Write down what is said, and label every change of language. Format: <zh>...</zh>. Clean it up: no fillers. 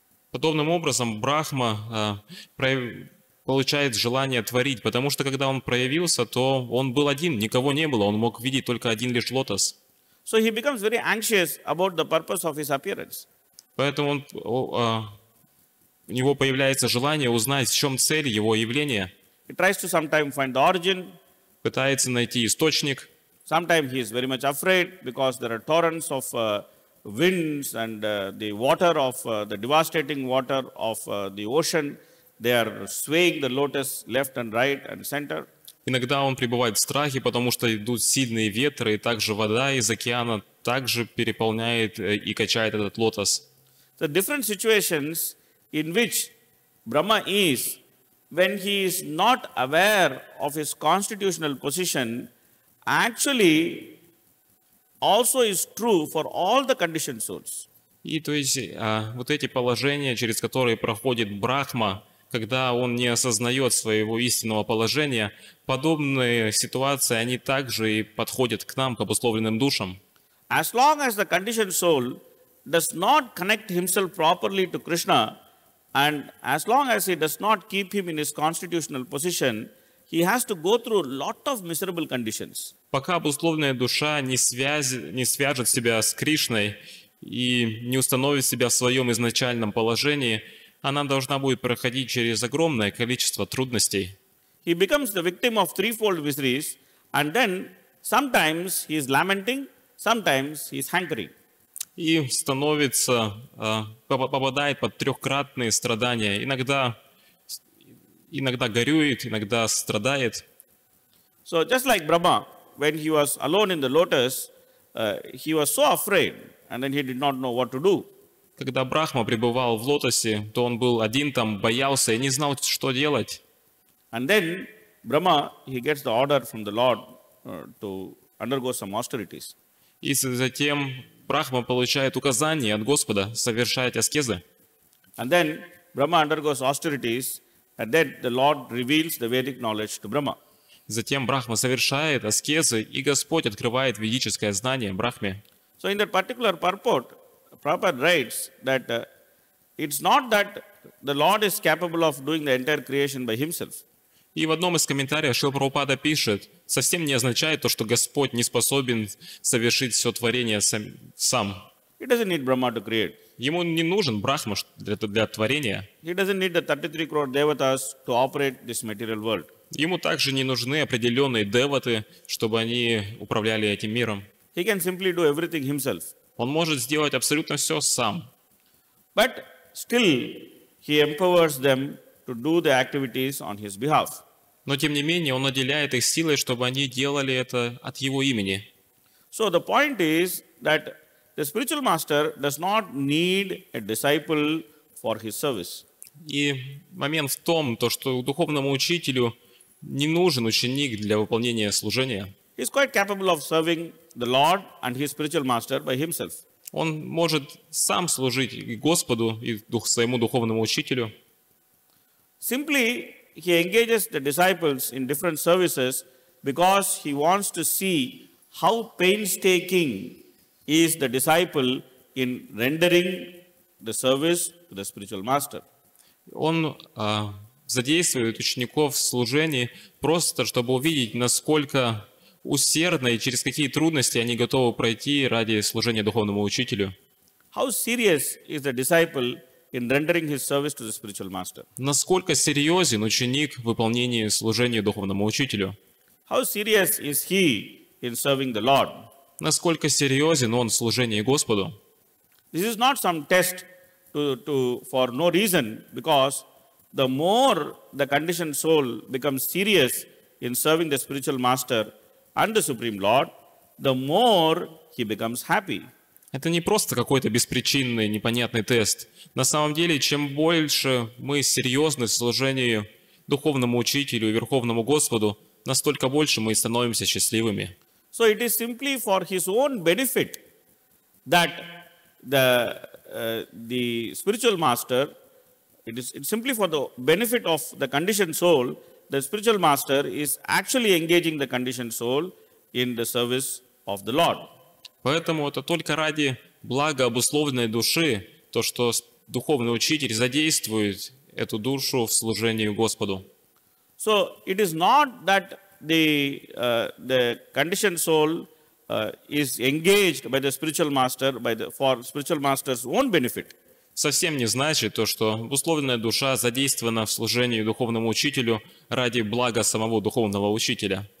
<ru>Подобным образом Брахма получает желание творить, потому что когда он проявился, то он был один, никого не было, он мог видеть только один лишь лотос.</ru> <en>So he becomes very anxious about the purpose of his appearance.</en> <ru>Поэтому у него появляется желание узнать, в чем цель его явления.</ru> <en>He tries to sometime find the origin.</en> <ru>Пытается найти источник.</ru> <en>Sometime he is very much afraid because there are torrents of winds and the water of the devastating water of the ocean. They are swaying the lotus left and right and center.</en> <ru>Иногда он пребывает в страхе, потому что идут сильные ветры, и также вода из океана также переполняет и качает этот лотос.</ru> <en>The different situations in which Brahma is, when he is not aware of his constitutional position, actually also is true for all the conditioned souls.</en> <ru>И то есть вот эти положения, через которые проходит Брахма, когда он не осознает своего истинного положения, подобные ситуации, они также и подходят к нам, к обусловленным душам.</ru> <en>As long as the conditioned soul does not connect himself properly to Krishna, and as long as he does not keep him in his constitutional position, he has to go through a lot of miserable conditions.</en> <ru>Пока обусловленная душа не свяжет себя с Кришной и не установит себя в своем изначальном положении, она должна будет проходить через огромное количество трудностей.</ru> <en>He becomes the victim of threefold miseries, and then sometimes he is lamenting, sometimes he is hankering.</en> <ru>И становится, попадает под трехкратные страдания. Иногда горюет, иногда страдает.</ru> <en>So just like Brahma, when he was alone in the lotus, he was so afraid, and then he did not know what to do.</en> <ru>Когда Брахма пребывал в лотосе, то он был один там, боялся и не знал, что делать.</ru> <en>And then Brahma, he gets the order from the Lord to undergo some austerities.</en> <ru>И затем Брахма получает указание от Господа совершать аскезы.</ru> <en>And then Brahma undergoes austerities, and then the Lord reveals the Vedic knowledge to Brahma.</en> <ru>Затем Брахма совершает аскезы, и Господь открывает ведическое знание Брахме.</ru> <en>So in that particular purport, Prabhupada writes that it's not that the Lord is capable of doing the entire creation by himself.</en> <ru>И в одном из комментариев Шрила Прабхупада пишет, совсем не означает то, что Господь не способен совершить все творение сам.</ru> <en>He doesn't need Brahma to create.</en> <ru>Ему не нужен Брахма для творения.</ru> <en>He doesn't need the 33 crore devatas to operate this material world.</en> <ru>Ему также не нужны определенные деваты, чтобы они управляли этим миром.</ru> <en>He can simply do everything himself.</en> <ru>Он может сделать абсолютно все сам.</ru> <en>But still, he empowers them to do the activities on his behalf.</en> <ru>Но тем не менее, он наделяет их силой, чтобы они делали это от его имени.</ru> <en>So the point is that the spiritual master does not need a disciple for his service.</en> <ru>И момент в том, то что духовному учителю не нужен ученик для выполнения служения.</ru> <en>He is quite capable of serving the Lord and his spiritual master by himself.</en> <ru>Он может сам служить и Господу, и своему духовному учителю.</ru> <en>Simply, he engages the disciples in different services because he wants to see how painstaking is the disciple in rendering the service to the spiritual master.</en> <ru>Он задействует учеников в служении просто, чтобы увидеть, насколько усердно и через какие трудности они готовы пройти ради служения духовному учителю.</ru> <en>How serious is the disciple in rendering his service to the spiritual master?</en> <ru>Насколько серьезен ученик в выполнении служения духовному учителю?</ru> <en>How serious is he in serving the Lord?</en> <ru>Насколько серьезен он в служении Господу?</ru> <en>This is not some test for no reason, because the more the conditioned soul becomes serious in serving the spiritual master and the supreme Lord, the more he becomes happy.</en> <ru>Это не просто какой-то беспричинный, непонятный тест. На самом деле, чем больше мы серьезны в служении духовному учителю и верховному Господу, настолько больше мы становимся счастливыми.</ru> <en>So it is simply for his own benefit that the spiritual master, it's simply for the benefit of the conditioned soul, the spiritual master is actually engaging the conditioned soul in the service of the Lord.</en> <ru>Поэтому это только ради блага обусловленной души, то, что духовный учитель задействует эту душу в служении Господу.</ru> <en>So it is not that the conditioned soul is engaged by the spiritual master for spiritual master's own benefit.</en> <ru>Совсем не значит то, что обусловленная душа задействована в служении духовному учителю ради блага самого духовного учителя.</ru>